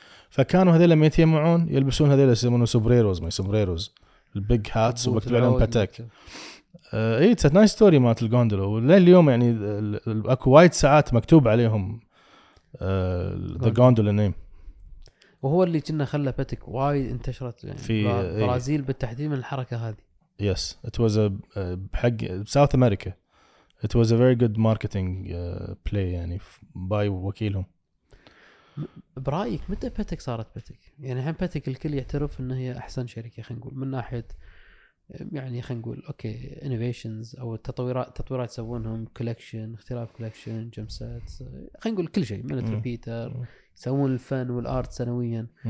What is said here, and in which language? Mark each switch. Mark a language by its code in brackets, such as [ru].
[ar] فكانوا هذيلا ما يتجمعون يلبسون هذيلا يسمونه سوبريروز ما سوبريروز البيج هاتس وبكتب عليهم باتيك. إيه نايس ستوري مات الجوندولو لليوم يعني أكو وايد ساعات مكتوب عليهم [en] the gondola name [ar] وهو اللي كنا خلى باتيك وايد انتشرت يعني في برازيل بالتحديد من الحركة هذه. [en] yes it was a حق South America it was a very good marketing play [ar] يعني by وكيلهم. برأيك متى باتيك صارت باتيك؟ يعني الحين باتيك الكل يعترف إن هي أحسن شركة خلينا نقول من ناحية يعني خلينا نقول أوكي innovations أو التطويرات يسوونهم collection اختلاف collection جمسات خلينا نقول كل شيء من التربيتر يسوون الفن والآرت سنويا.